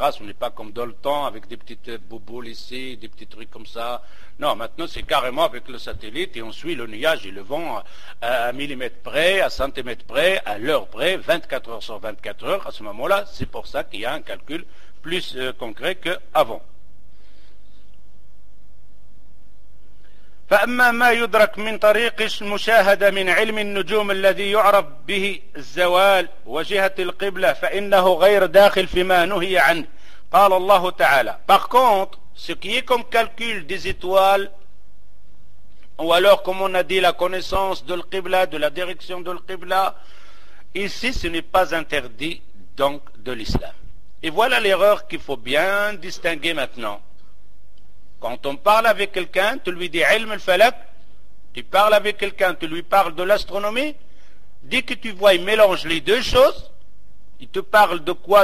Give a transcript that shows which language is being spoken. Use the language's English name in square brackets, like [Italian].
[French] Ce n'est pas comme dans le temps, avec des petites bouboules ici, des petits trucs comme ça. Non, maintenant, c'est carrément avec le satellite, et on suit le nuage et le vent à millimètre près, à centimètre près, à l'heure près, 24 heures sur 24 heures. À ce moment-là, c'est pour ça qu'il y a un calcul plus concret qu'avant. [Arabic] فأما ما يدرك من طريق المشاهدة من علم النجوم الذي يعرف به الزوال وجهة القبلة فإنه غير داخل فيما نهي عنه قال الله تعالى. [French] Par contre, ce qui est comme calcul des étoiles, ou alors comme on a dit la connaissance de l'Qibla, de la direction de l'Qibla, ici ce n'est pas interdit donc de l'islam. Et voilà l'erreur qu'il faut bien distinguer maintenant. Quand on parle avec quelqu'un, tu lui dis « ilm al-falak », tu parles avec quelqu'un, tu lui parles de l'astronomie, dès que tu vois, il mélange les deux choses, il te parle de quoi?